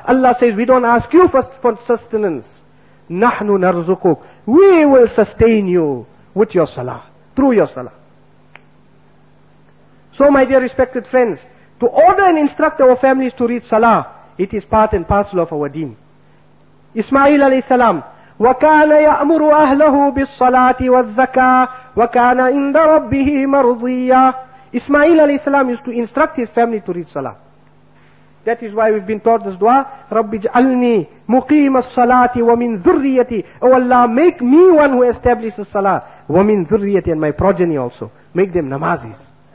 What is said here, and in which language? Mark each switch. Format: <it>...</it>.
<en>Allah says, we don't ask you for sustenance.</en> <ar>نَحْنُ نَرْزُقُكُ.</ar> <en>We will sustain you with your salah, through your salah. So my dear respected friends, to order and instruct our families to read salah, it is part and parcel of our deen. Ismail alayhi salam,</en> <ar>وَكَانَ يَأْمُرُ أَهْلَهُ بِالصَّلَاةِ وَالزَّكَاةِ وَكَانَ إِنْدَ رَبِّهِ مَرْضِيًّا.</ar> <en>Ismail alayhi salam used to instruct his family to read salah. That is why we've been taught this dua,</en> <ar>رَبِّ جَعَلْنِي مُقِيمَ الصَّلَاةِ وَمِنْ ذُرِّيَّتِي.</ar> <en>Oh Allah, make me one who establishes salah,</en> <ar>وَمِنْ ذُرِّيَّتِي,</ar> <en>and my progeny also. Make them namazis.</en>